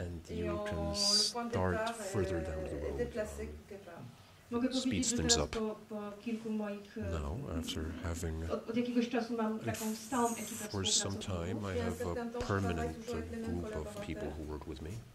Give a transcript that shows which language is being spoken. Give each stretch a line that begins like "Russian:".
English: And you can start further down the road.
Polish: Mogę powiedzieć, że teraz po kilku moich...
English: Now, after having...
Polish: Od jakiegoś czasu mam taką stałą ekipę.
English: For some time I have a permanent group of people who work with me.